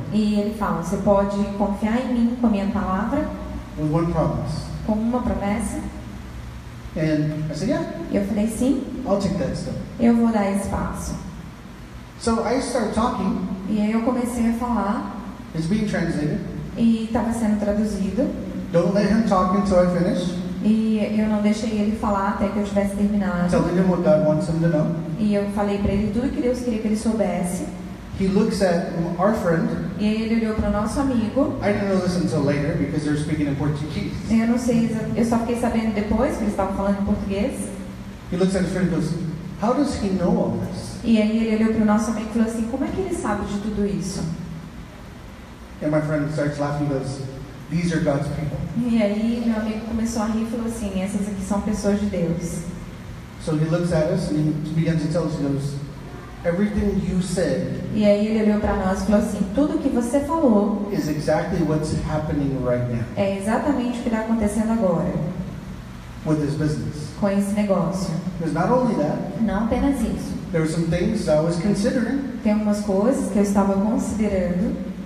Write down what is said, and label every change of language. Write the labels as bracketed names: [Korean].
[Portuguese] E ele fala, você pode confiar em mim com a minha palavra? [English] With one promise. [Portuguese] Com uma promessa. [English] And I said, yeah. [Portuguese] E eu falei, sim. [English] I'll take that step. [Portuguese] Eu vou dar espaço. [English] So I started talking. [Portuguese] E aí eu comecei a falar. [English] It's being translated. [Portuguese] E estava sendo traduzido. [English] Don't let him talk until I finish. [Portuguese] E eu não deixei ele falar até que eu tivesse terminado. [English] Telling him what God wants him to know. [Portuguese] E eu falei para ele tudo que Deus queria que ele soubesse. [English] He looks at our friend. [Portuguese] E aí ele olhou para o nosso amigo. [English] I didn't know this until later because they're speaking in Portuguese. [Portuguese] Eu não sei, eu só fiquei sabendo depois que eles estavam falando em português. [English] He looks at his friend and goes, how does he know all this? [Portuguese] E aí ele olhou para o nosso amigo e falou assim, como é que ele sabe de tudo isso? [English] And my friend starts laughing and goes, these are God's people. [Portuguese] E aí meu amigo começou a rir e falou assim, essas aqui são pessoas de Deus. [English] So he looks at us and he begins to tell us, he goes, everything you said. [Portuguese] E aí ele olhou para nós e falou assim, tudo que você falou [English] is exactly what's happening right now. [Portuguese] É exatamente o que está acontecendo agora. [English] With this business. [Portuguese] Com esse negócio. [English] Because not only that. [Portuguese] Não apenas isso. [English] There were some things I was considering. [Portuguese] Tem algumas coisas que eu estava considerando.